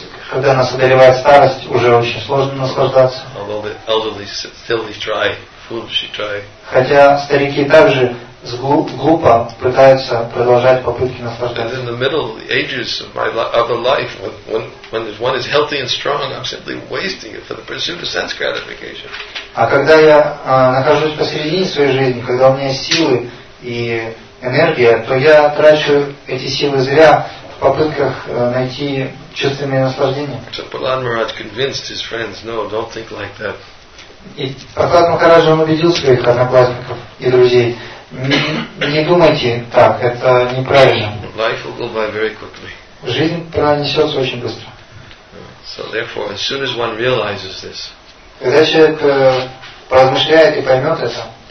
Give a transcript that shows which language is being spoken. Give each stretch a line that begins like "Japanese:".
Russian: Когда нас одолевает старость, уже очень сложно наслаждаться.
English: Although the elderly still try, foolishly try.
Russian: Хотя старики также глупо пытаются продолжать попытки наслаждаться.
English: In the middle ages of my life, when one is healthy and strong, I'm simply wasting it for the pursuit of sense gratification.
Russian: А когда я нахожусь посередине своей жизни, когда у меня силы и энергия, то я трачу эти силы зря в попытках найти чувственное наслаждение.
English: So Prahlad Maharaj convinced his friends, no, don't think like that.
Russian: И Прохлад Махарадж убедил своих одноклассников и друзей, не думайте так, это неправильно.
English: Life will go by very quickly.
Russian: Жизнь пронесется очень быстро.
English: So therefore, as soon as one realizes this,
Russian: когда человек поразмышляет и поймет это,